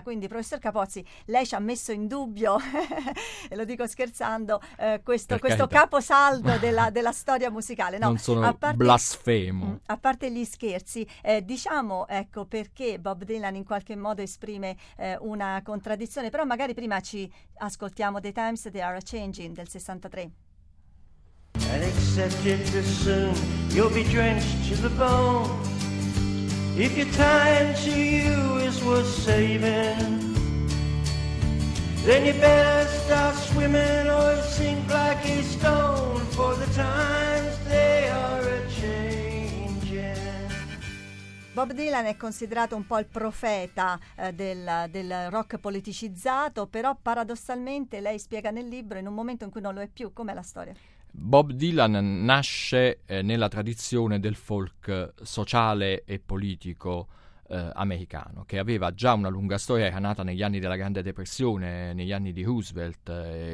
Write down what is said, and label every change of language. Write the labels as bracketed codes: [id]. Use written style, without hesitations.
[it] Quindi, professor Capozzi, lei ci ha messo in dubbio, e lo dico scherzando, questo caposaldo della storia musicale. No, non sono blasfemo. A parte gli scherzi, diciamo, ecco, perché Bob Dylan in qualche modo esprime una contraddizione, però magari prima ci ascoltiamo The Times They Are Changing del 63. [en] And accept it too soon, you'll be drenched to the bone. If your time to you is worth saving, then you better start swimming or sink like a stone, for the times they are [it] Bob Dylan è considerato un po' il profeta del rock politicizzato, però paradossalmente lei spiega nel libro in un momento in cui non lo è più. Com'è la storia? Bob Dylan nasce nella tradizione del folk sociale e politico americano, che aveva già una lunga storia, era nata negli anni della Grande Depressione, negli anni di Roosevelt.